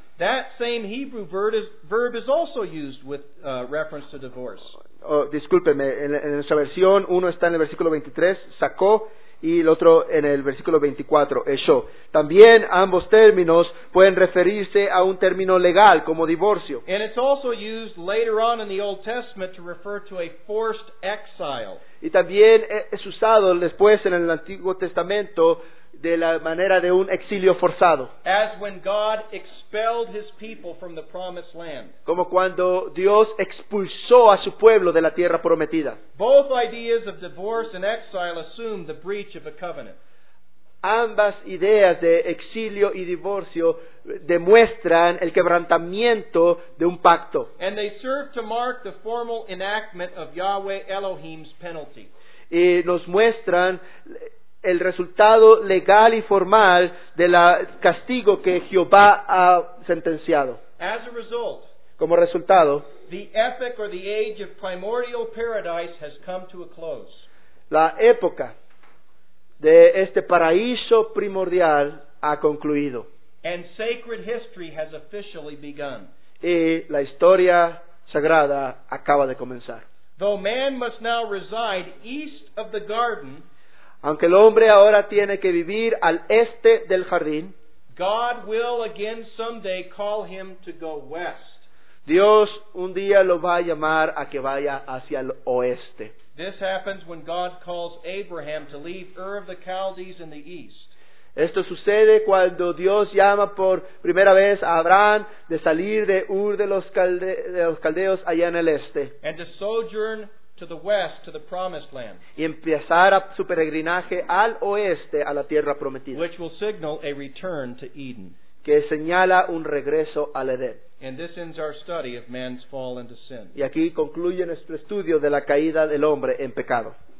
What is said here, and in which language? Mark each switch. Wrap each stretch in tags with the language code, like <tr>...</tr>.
<en>That same Hebrew verb is also used with reference to divorce.</en> <es>Discúlpeme, en esa versión, uno está en el versículo 23, sacó, y el otro en el versículo 24, echó. También ambos términos pueden referirse a un término legal, como divorcio.</es> <en>And it's also used later on in the Old Testament to refer to a forced exile.</en> <es>Y también es usado después en el Antiguo Testamento de la manera de un exilio forzado.</es> <en>As when God expelled his people from the promised land.</en> <es>Como cuando Dios expulsó a su pueblo de la tierra prometida.</es> <en>Both ideas of divorce and exile assume the breach of a covenant.</en> <es>Ambas ideas de exilio y divorcio demuestran el quebrantamiento de un pacto.</es> <en>And they serve to mark the formal enactment of Yahweh Elohim's penalty.</en> <es>Y nos muestran el resultado legal y formal del castigo que Jehová ha sentenciado.</es> <en>As a result,</en> <es>como resultado,</es> <en>the epoch or the age of primordial paradise has come to a close.</en> <es>La época de este paraíso primordial ha concluido.</es> <en>And sacred history has officially begun.</en> <es>Y la historia sagrada acaba de comenzar.</es> <en>Though man must now reside east of the garden,</en> <es>aunque el hombre ahora tiene que vivir al este del jardín,</es> <en>God will again someday call him to go west.</en> <es>Dios un día lo va a llamar a que vaya hacia el oeste.</es> <en>This happens when God calls Abraham to leave Ur of the Chaldees in the east.</en> <es>Esto sucede cuando Dios llama por primera vez a Abraham de salir de Ur de los caldeos allá en el este.</es> <en>And to sojourn to the west, to the promised land.</en> <es>Y empezar su peregrinaje al oeste, a la tierra prometida.</es> <en>Which will signal a return to Eden.</en> <es>Que señala un regreso al Edén.</es> <en>And this ends our study of man's fall into sin.</en> <es>Y aquí concluye nuestro estudio de la caída del hombre en pecado.</es>